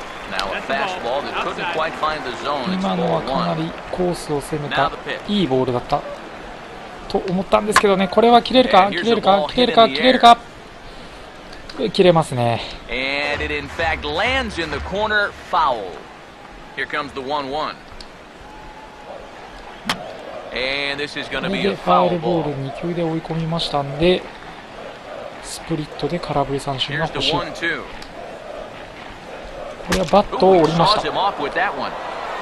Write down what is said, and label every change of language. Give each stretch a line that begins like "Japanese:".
English: Now a fastball that couldn't quite find the zone. It's 1-1.
Japanese: 今のはかなりコースを攻めたいいボールだったと思ったんですけどね。これは切れるか切れるか切れるか切れるか。切れますね。
English: And it in fact lands in the corner foul. Here comes the 1-1. And this is going to be a foul ball.
Japanese: 2球で追い込みましたんで、スプリットで空振り三振が欲しい。これはバットを折りました。